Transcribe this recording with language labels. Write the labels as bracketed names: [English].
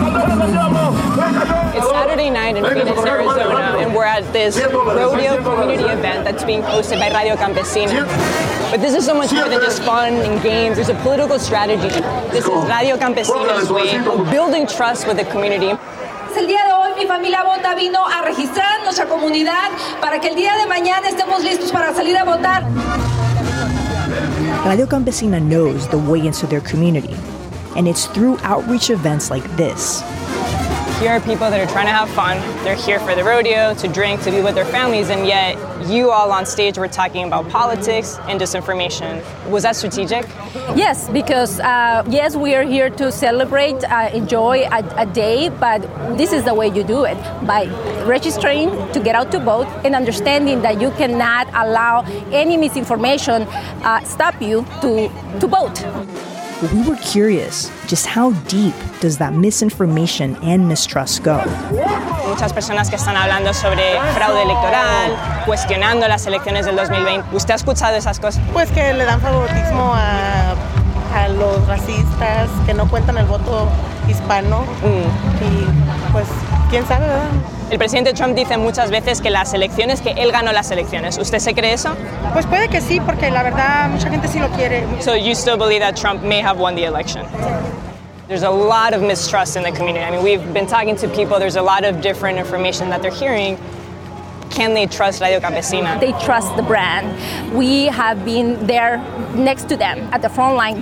[English] It's Saturday night in Phoenix, Arizona, and we're at this rodeo community event that's being hosted by Radio Campesina. But this is so much more than just fun and games. There's a political strategy. This is Radio Campesina's way of building trust with the community. [Spanish] El día de hoy mi familia vota vino a registrar nuestra comunidad para que el día de mañana estemos listos para salir a votar. [English] Radio Campesina knows the way into their community, and it's through outreach events like this. Here are people that are trying to have fun. They're here for the rodeo, to drink, to be with their families, and yet you all on stage were talking about politics and disinformation. Was that strategic? Yes, because yes, we are here to celebrate, enjoy a day, but this is the way you do it, by registering to get out to vote and understanding that you cannot allow any misinformation stop you to vote. We were curious, just how deep does that misinformation and mistrust go? [Spanish] Muchas personas que están hablando sobre fraude electoral, cuestionando las elecciones del 2020. ¿Usted ha escuchado esas cosas? Pues que le dan favoritismo a los racistas, que no cuentan el voto hispano. Y pues, ¿quién sabe, verdad? El presidente Trump dice muchas veces que las elecciones, que él ganó las elecciones. ¿Usted se cree eso? Pues puede que sí, porque la verdad mucha gente sí lo quiere. [English] So you still believe that Trump may have won the election? There's a lot of mistrust in the community. I mean, we've been talking to people. There's a lot of different information that they're hearing. Can they trust Radio Campesina? They trust the brand. We have been there next to them at the front line.